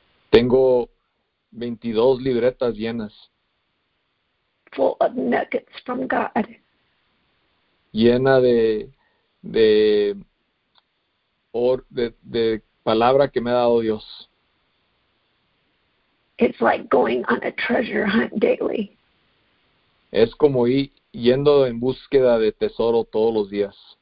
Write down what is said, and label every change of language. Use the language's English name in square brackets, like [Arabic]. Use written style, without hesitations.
[Spanish] Tengo 22 libretas llenas. [English] Full of nuggets from God. [Spanish] Llena de palabra que me ha dado Dios. [English] It's like going on a treasure hunt daily. [Spanish] Es como ir yendo en búsqueda de tesoro todos los días.